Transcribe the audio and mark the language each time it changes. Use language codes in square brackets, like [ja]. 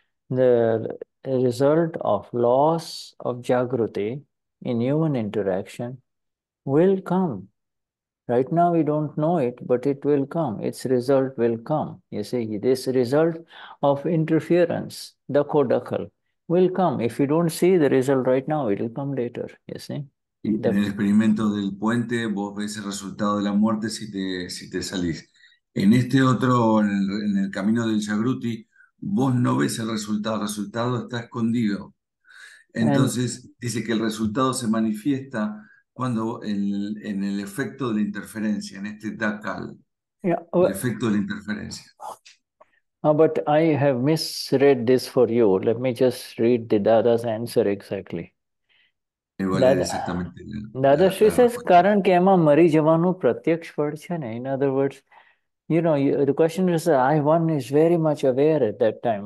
[en] The result of loss of jagruti in human interaction will come. Right now we don't know it, but it will come. Its result will come. You see, this result of interference, the kodakal, will come. If you don't see the result right now, it will come later, you see. [es] En el experimento del puente, vos ves el resultado de la muerte si te salís. En este otro, en el camino del Jagruti, vos no ves el resultado está escondido. Entonces, dice que el resultado se manifiesta cuando en el efecto de la interferencia, en este Dakal, [en] Yeah, [es] el efecto de la interferencia. [en] Oh, but I have misread this for you. Let me just read the Dada's answer exactly. Dada Shri says, [gu] Karan kema mari javanu pratyaksh pad chane. [en] In other words, you know, the question is, one is very much aware at that time.